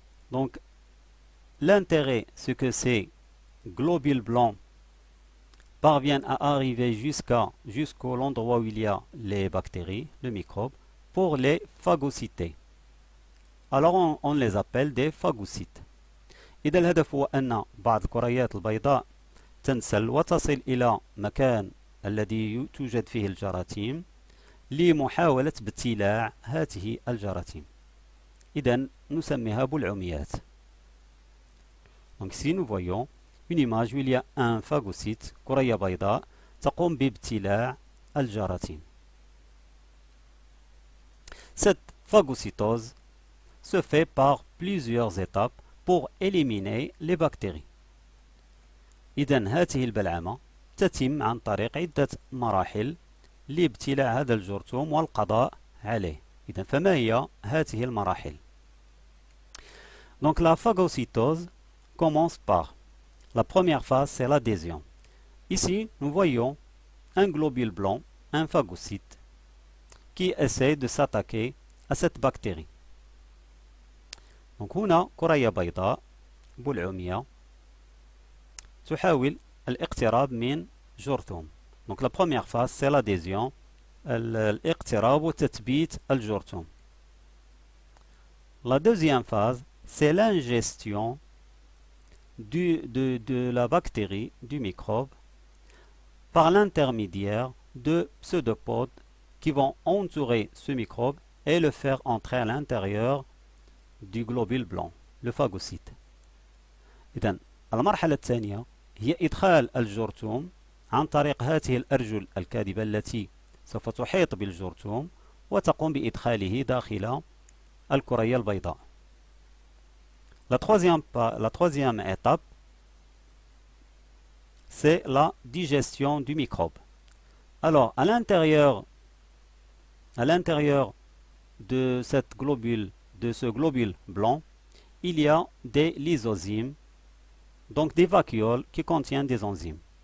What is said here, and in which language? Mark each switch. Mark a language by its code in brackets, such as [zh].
[fr] Donc, l'intérêt, c'est que ces globules blancs parviennent à arriver jusqu'à l'endroit où il y a les bactéries, le microbe, pour les phagocyter. Alors, on les appelle des phagocytes. [ar] إذا الهدف هو أن بعض الكريات البيضاء تنسل وتصل إلى مكان الذي توجد فيه الجراثيم لمحاولة ابتلاع هذه الجراثيم. إذا نسميها بلعوميات. [fr] Donc si nous voyons une image où il y a un phagocyte, [ar] كرية بيضاء تقوم بابتلاع الجراثيم. [fr] Cette phagocytose se fait par plusieurs étapes pour éliminer les bactéries. [ar] إذن هذه البلعمة تتم عن طريق عدة مراحل لابتلاع هذا الجرثوم والقضاء عليه. إذن فما هي هذه المراحل؟ [fr] Donc la phagocytose commence par la première phase, c'est l'adhésion. Ici, nous voyons un globule blanc, un phagocyte, qui essaie de s'attaquer à cette bactérie. Donc, [ar] هنا كرية بيضاء بلعومية تحاول الاقتراب من جرثوم. [fr] Donc, la première phase, c'est l'adhésion, l' [ar] اقتراب وتثبيت الجرثوم. [fr] La deuxième phase, c'est l'ingestion de la bactérie, du microbe, par l'intermédiaire de pseudopodes qui vont entourer ce microbe et le faire entrer à l'intérieur du globule blanc, le phagocyte. Et dans la marche la deuxième, il y [ar] a إدخال الجرثوم عن طريق هذه الأرجل الكاذبة التي سوف تحيط بالجرثوم وتقوم بإدخاله داخل الكرية البيضاء. [fr] La troisième étape, c'est la digestion du microbe. Alors, à l'intérieur de cette globule de ce globule blanc, il y a des lysozymes, donc des vacuoles qui contiennent des enzymes.